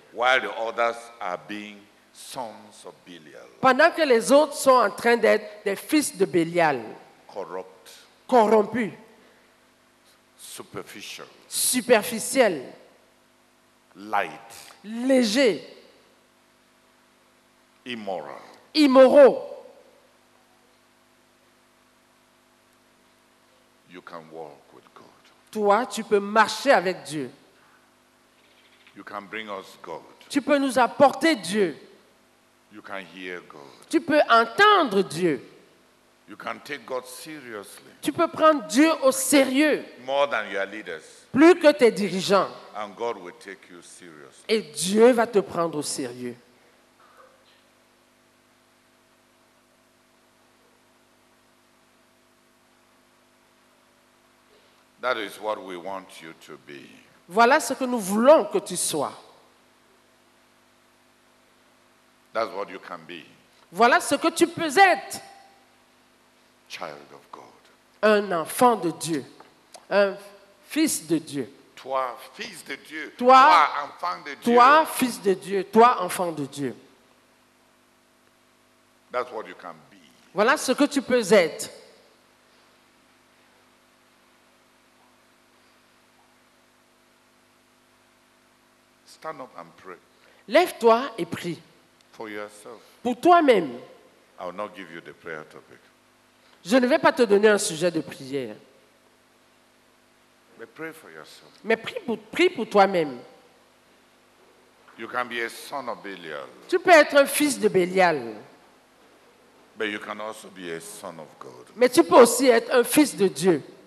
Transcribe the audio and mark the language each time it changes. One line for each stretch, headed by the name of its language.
English: While the others are being sons of Belial.
French: Pendant que les autres sont en train d'être des fils de Belial.
English: Corrupt.
French: Corrompus.
English: Superficial.
French: Superficiel.
English: Light.
French: Léger.
English: Immoral.
French: Immoraux.
English: You can walk with God.
French: Toi, tu peux marcher avec Dieu.
English: You can bring us God.
French: Tu peux nous apporter Dieu.
English: You can hear God.
French: Tu peux entendre Dieu.
English: You can take God seriously.
French: Tu peux prendre Dieu au sérieux.
English: More than your leaders.
French: Plus que tes dirigeants.
English: And God will take you seriously.
French: Et Dieu va te prendre au sérieux.
English: That is what we want you to be.
French: Voilà ce que nous voulons que tu sois.
English: That's what you can be.
French: Voilà ce que tu peux être.
English: Child of God.
French: Un enfant de Dieu. Un fils de Dieu. toi, fils de Dieu, toi, enfant de Dieu.
English: That's what you can be.
French: Voilà ce que tu peux être.
English: Stand up and pray.
French: Lève-toi et prie.
English: For yourself.
French: Pour toi-même.
English: I will not give you the prayer topic.
French: Je ne vais pas te donner un sujet de prière.
English: But pray for yourself.
French: Mais prie pour toi-même.
English: You can be a son of Belial.
French: Tu peux être un fils de Belial.
English: But you can also be a son of God.
French: Mais tu peux aussi être un fils de Dieu.